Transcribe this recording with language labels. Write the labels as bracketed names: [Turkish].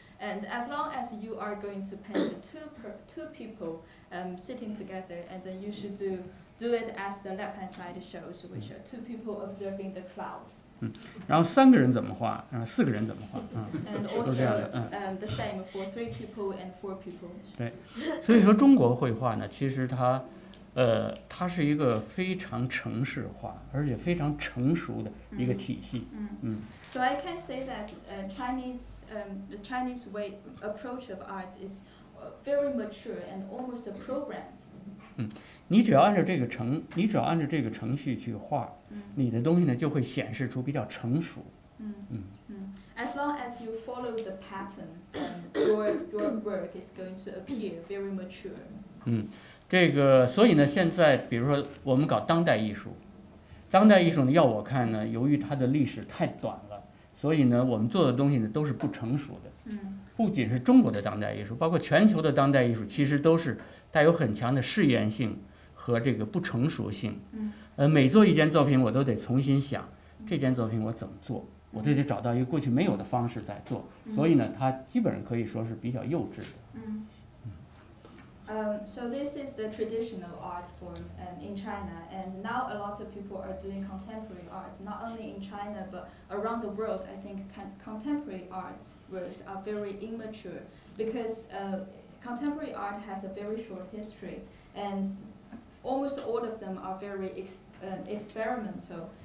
[English] And as long as you are going to paint two people sitting together, and then you should do it as the left hand side shows, which are two people observing the cloud. [Chinese] 然后三个人怎么画, 然后四个人怎么画, [English] and also the same for three people and four people. [Chinese] 对，所以说中国绘画呢, 其实它, 它是一个非常城市化, 而且非常成熟的一个体系。 [English] So I can say that the Chinese way approach of arts is very mature and almost programmed. [Chinese] 你只要按照这个程序去画, 你的东西呢就会显示出比较成熟。 [English] As long as you follow the pattern, your work is going to appear very mature. [Chinese] 所以呢现在比如说我们搞当代艺术呢，要我看呢， 由于它的历史太短了，所以呢我们做的东西呢都是不成熟的。不仅是中国的当代艺术， 包括全球的当代艺术， 其实都是带有很强的试验性 和这个不成熟性。每做一件作品我都得重新想， 这件作品我怎么做， 我都得找到一个过去没有的方式再做。所以呢它基本上可以说是比较幼稚的。 [English] So this is the traditional art form in China, and now a lot of people are doing contemporary arts, not only in China but around the world. I think contemporary art works are very immature because contemporary art has a very short history, and almost all of them are very experimental.